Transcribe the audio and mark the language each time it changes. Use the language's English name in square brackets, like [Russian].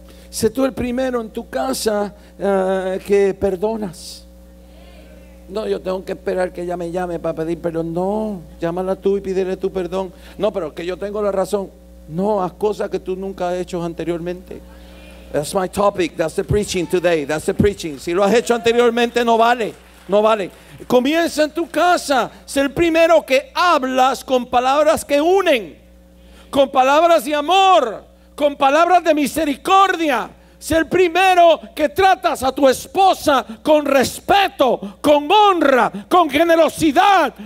[Spanish] Sé tú el primero en tu casa que perdonas. No, yo tengo que esperar que ella me llame para pedir perdón. No, llámala tú y pídele tu perdón. No, pero que yo tengo la razón. No, haz cosas que tú nunca has hecho anteriormente. [English] That's my topic, that's the preaching today, that's the preaching. [Spanish] Si lo has hecho anteriormente, no vale, no vale. Comienza en tu casa, sé el primero que hablas con palabras que unen, con palabras de amor, con palabras de misericordia. Sé el primero que tratas a tu esposa con respeto, con honra, con generosidad.